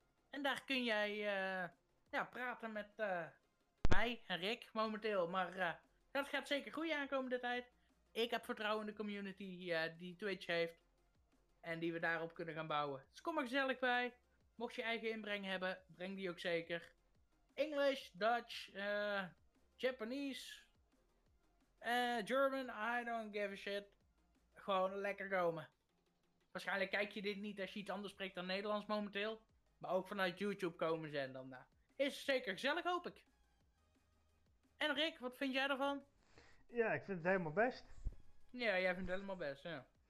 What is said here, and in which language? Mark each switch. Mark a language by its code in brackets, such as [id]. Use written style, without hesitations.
[nl] En daar kun jij praten met mij en Rick momenteel. Maar dat gaat zeker goed aankomende tijd. Ik heb vertrouwen in de community die Twitch heeft en die we daarop kunnen gaan bouwen. Dus kom er gezellig bij. Mocht je eigen inbreng hebben, breng die ook zeker. [en] English, Dutch, Japanese, German, I don't give a shit. [nl] Gewoon lekker komen. Waarschijnlijk kijk je dit niet als je iets anders spreekt dan Nederlands momenteel. Maar ook vanuit YouTube komen ze en dan daar. Is zeker gezellig, hoop ik. En Rick, wat vind jij ervan? Ja, ik vind het helemaal best. Ja, jij vindt het helemaal best, ja.